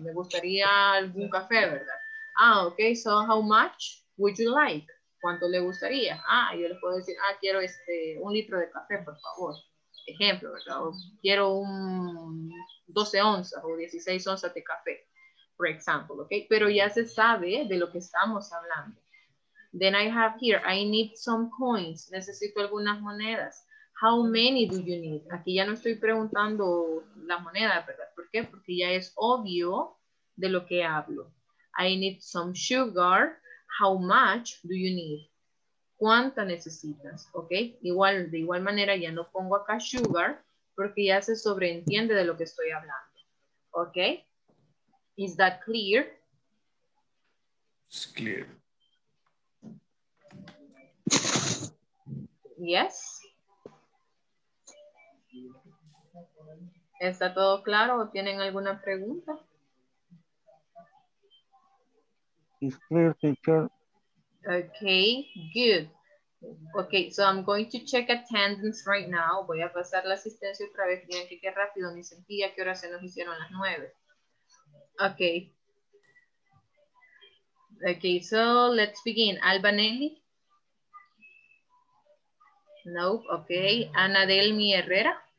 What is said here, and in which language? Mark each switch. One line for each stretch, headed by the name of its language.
Spanish: Me gustaría algún café, ¿verdad? Ah, ok.
English: So, how much would you like?
Spanish: ¿Cuánto le gustaría? Ah, yo le puedo decir, ah, quiero este, un litro de café, por favor. Ejemplo, ¿verdad? O quiero un 12 onzas o 16 onzas de café, por ejemplo, ¿ok? Pero ya se sabe de lo que estamos hablando.
English: Then I have here, I need some coins.
Spanish: Necesito algunas monedas.
English: How many do you need?
Spanish: Aquí ya no estoy preguntando la moneda, ¿verdad? ¿Por qué? Porque ya es obvio de lo que hablo.
English: I need some sugar. How much do you need?
Spanish: ¿Cuánta necesitas? ¿Ok? Igual, de igual manera, ya no pongo acá sugar porque ya se sobreentiende de lo que estoy hablando.
English: ¿Ok? Is that clear? It's clear. Yes.
Spanish: ¿Está todo claro o tienen alguna pregunta?
English: It's clear, teacher. Okay, good. Okay, so I'm going to check attendance right now.
Spanish: Voy a pasar la asistencia otra vez. Miren que qué rápido ni sentía qué hora se nos hicieron las 9.
English: Okay. Okay, so let's begin. Albanelli? Nope, okay. Ana Delmi Herrera?